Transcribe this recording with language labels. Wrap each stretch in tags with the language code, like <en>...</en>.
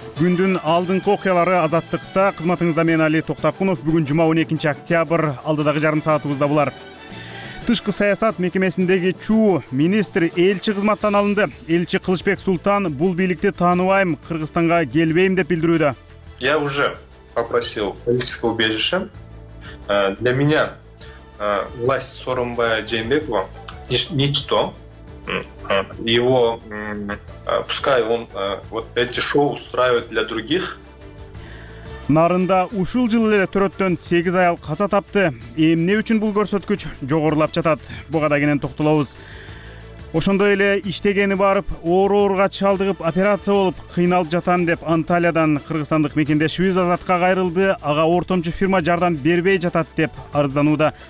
<ky>Күндүн алдыңкы окуялары Азаттыкта. Кызматыңызда мен Али Токтокунов. Бүгүн жума 12 октябрь. Алдыдагы жарым саатыбызда булар. Тышкы саясат мекемесиндеги чуу министр элчи кызматтан алынды. Элчи Кылычбек Султан бул бийликти тааныбайм, Кыргызстанга келбейм деп билдирүүдө.</ky> <ru>Я уже попросил политическое убежище. Для меня власть Сооронбай Жээнбекова ничто. Его пускай он вот эти шоу устраивает для других.</ru> <ky>Нарында ушул жыл эле 4-тен 8 аял каза тапты. Эмне үчүн бул көрсөткүч жогорулап жатат? Буга да кенен токтолобуз. Ошондой эле иштегени барып, оорууга чалдыгып, операция болуп кыйналып жатам деп Анталиядан кыргызстандык мекендешибиз Азатка кайрылды. Ага ортомчу фирма жардам бербей жатат деп арызданууда.</ky>